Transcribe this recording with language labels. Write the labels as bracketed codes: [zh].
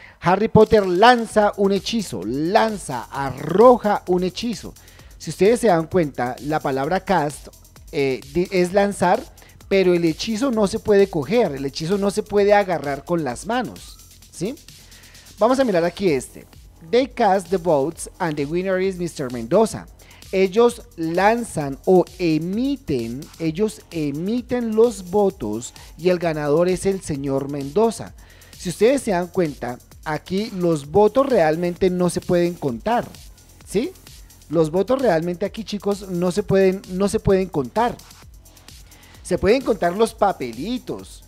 [es] Harry Potter lanza un hechizo, lanza, arroja un hechizo. Si ustedes se dan cuenta, la palabra cast es lanzar, pero el hechizo no se puede coger, el hechizo no se puede agarrar con las manos, ¿sí? Vamos a mirar aquí este. [en] They cast the votes and the winner is Mr. Mendoza. [es] Ellos lanzan o emiten, ellos emiten los votos y el ganador es el señor Mendoza. Si ustedes se dan cuenta, aquí los votos realmente no se pueden contar, ¿sí? Los votos realmente aquí, chicos, no se pueden contar. Se pueden contar los papelitos,